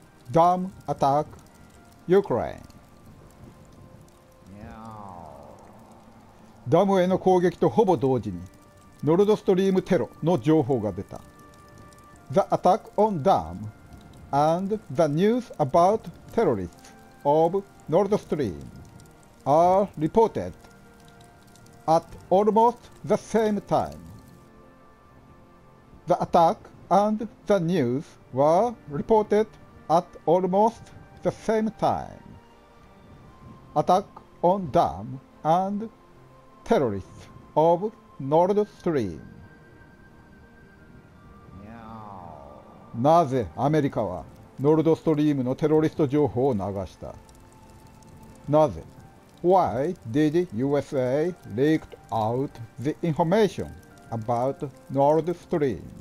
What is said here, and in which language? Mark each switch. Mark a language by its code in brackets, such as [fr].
[ja] ダムアタック、ウクライナ。ダムへの攻撃とほぼ同時に、ノルドストリームテロの情報が出た。 [en] The attack on dam and the news about terrorists of Nord Stream are reported at almost the same time. The attack and the news were reported. At almost the same time, attack on dam and terrorists of Nord Stream. [ja] なぜアメリカはノルドストリームのテロリスト情報を流した？なぜ [en] ？Why did USA leaked out the information about Nord Stream?